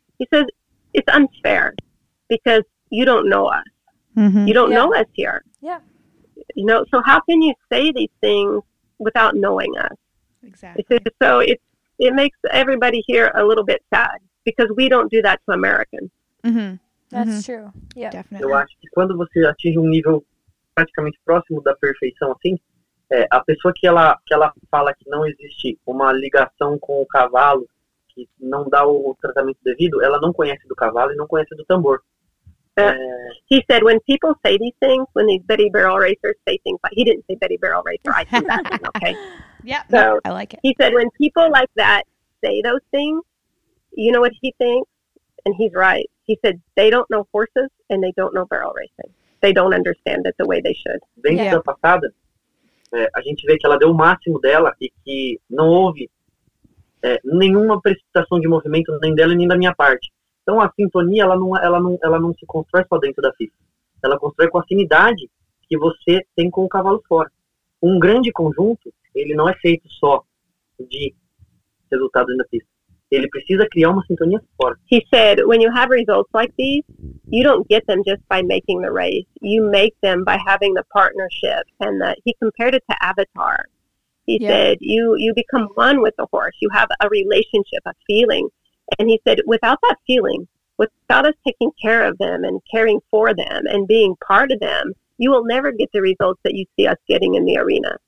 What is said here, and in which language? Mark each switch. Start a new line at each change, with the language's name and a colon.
English: He says, it's unfair because you don't know us. Mm-hmm. You don't know us here. Yeah. You know, so how can you say these things without knowing us? Exactly. So it makes everybody here a little bit sad because we don't do that to Americans. Mm-hmm. That's mm-hmm. true. Yeah. Definitely.
Portuguese: Eu acho que quando você atinge um nível praticamente próximo da perfeição, assim, a pessoa que ela fala que não existe uma ligação com o cavalo, que não dá o tratamento devido, ela não conhece do cavalo e não conhece do tambor.
English: He said, when people say these things, when these Betty Barrel racers say things, but he didn't say Betty Barrel racer, I think that's okay. Yeah, so, I like it. He said, when people like that say those things, you know what he thinks? And he's right. He said, they don't know horses and they don't know barrel racing. They don't understand it the way they should.
Portuguese: Bem da passada, a gente vê que ela deu o máximo dela e que não houve nenhuma precipitação de movimento nem dela nem da minha parte. Então, a sintonia, ela não se constrói só dentro da pista. Ela constrói com a afinidade que você tem com o cavalo fora. Um grande conjunto, ele não é feito só de resultado dentro da pista. Ele precisa criar uma sintonia fora.
English: He said, when you have results like these, you don't get them just by making the race. You make them by having the partnership. And he compared it to Avatar. He said, you become one with the horse. You have a relationship, a feeling. And he said, without that feeling, without us taking care of them and caring for them and being part of them, you will never get the results that you see us getting in the arena.